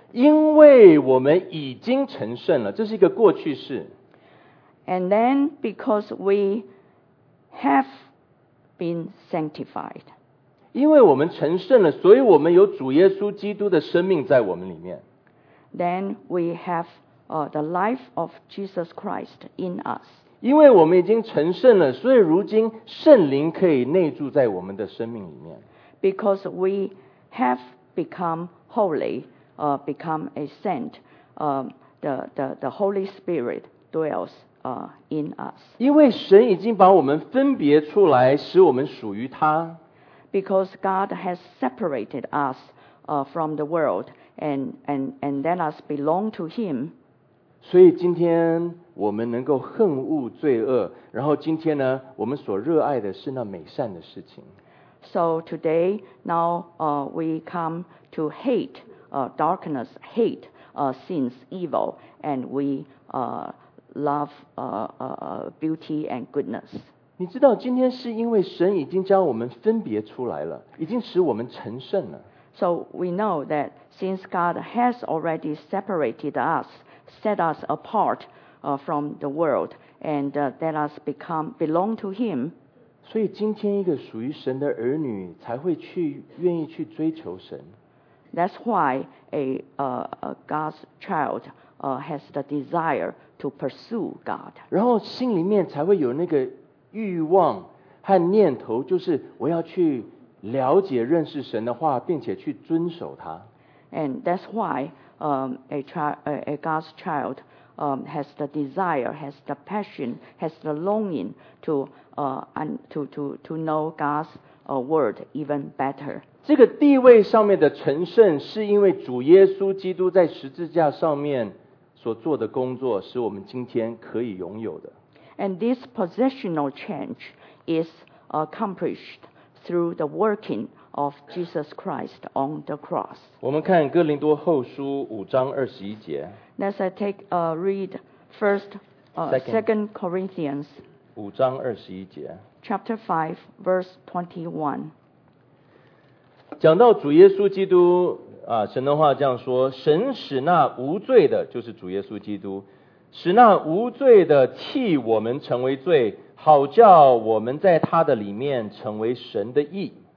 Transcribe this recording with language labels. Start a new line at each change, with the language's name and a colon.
Chinese: 因为我们已经成圣了，这是一个过去式。
English: And then because we have been sanctified.
Chinese: 因为我们成圣了，所以我们有主耶稣基督的生命在我们里面。
English: Then we have the life of Jesus Christ in us.
Chinese: 因为我们已经成圣了，所以如今圣灵可以内住在我们的生命里面。
English: Because we have become holy, become a saint, the Holy Spirit dwells in us.
Chinese: 因为神已经把我们分别出来，使我们属于他。
English: Because God has separated us from the world and let us belong to Him.
Chinese: 所以今天我们能够恨恶罪恶，然后今天呢，我们所热爱的是那美善的事情。
English: So today, now we come to hate darkness, hate sins, evil, and we love beauty and goodness.
Chinese: 你知道今天是因为神已经将我们分别出来了，已经使我们成圣了。
English: So we know that since God has already separated us,set us apart from the world and let us become belong to Him.
Chinese: 所以今天一个属于神的儿女才会去愿意去追求神。
English: That's why a God's child has the desire to pursue God.
Chinese: 然后心里面才会有那个欲望和念头，就是我要去了解认识神的话，并且去遵守他。
English: And that's why. A God's child has the desire, has the passion, has the longing to know God's word even better.
Chinese: 这个地位上面的成圣，是因为主耶稣基督在十字架上面所做的工作，使我们今天可以拥有的。
English: And this positional change is accomplished through the working. Of Jesus Christ on the cross.
Chinese: 我们看哥林多后书五章二十一节。
English: Let's take a read first. Second Corinthians.
Chinese: 五章二十一节。
English: Chapter 5, verse 21.
Chinese: 讲到主耶稣基督啊，神的话这样说：神使那无罪的，就是主耶稣基督，使那无罪的替我们成为罪，好叫我们在他的里面成为神的义。